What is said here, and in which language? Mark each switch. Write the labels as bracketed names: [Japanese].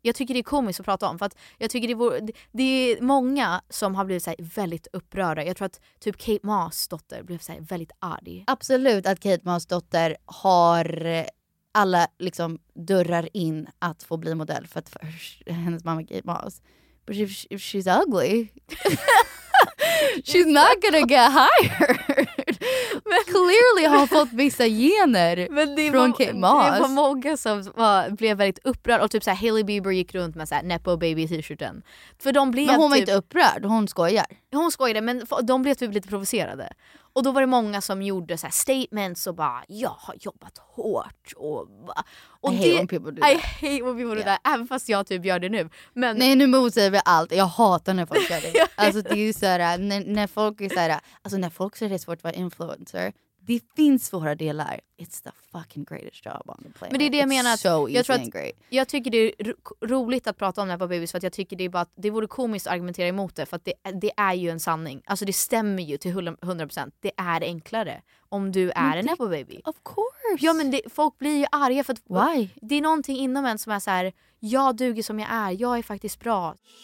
[Swedish] Jag tycker det är komiskt att prata om. För att jag tycker det är många som har blivit så här väldigt upprörda. Jag tror att typ Kate Moss dotter blev så här väldigt arg. Absolut att Kate Moss dotter har... alla liksom dörrar in att få bli modell för att hennes mamma Kate Moss. [English] But if she's ugly she's not gonna get hired. [Swedish] Men [English] clearly [Swedish] har fått vissa gener från Kate Moss. Det var många som blev väldigt upprörd och typ så här, Hailey Bieber gick runt med så här Nepo Baby t-shirten. För de blev, men hon var typ, inte upprörd, hon skojar. Hon skojade, men de blev typ lite provocerade. Och då var det många som gjorde så här statements och bara, jag har jobbat hårt och [English] I hate when people do that. I hate when people do that, även fast jag typ gör det nu. [Swedish] Men... Nej, nu motsäger vi allt. Jag hatar när folk gör det. Alltså det är så här, när folk är så här, alltså när folk säger det är svårt att vara influencer, det finns svåra delar. [English] It's the fucking greatest job on the planet. [Swedish] Men det är det jag menar. [English] It's so easy [Swedish] jag tror att, [English] and great. [Swedish] Jag tycker det är roligt att prata om det här på babys, för att jag tycker det är bara att det vore komiskt att argumentera emot det, för att det är ju en sanning. Alltså det stämmer ju till 100%. Det är enklare om du är en Nepo baby. [English] Of course. [Swedish] Ja, men folk blir ju arga för att... [English] Why? [Swedish] Det är någonting inom en som är så här, jag duger som jag är. Jag är faktiskt bra.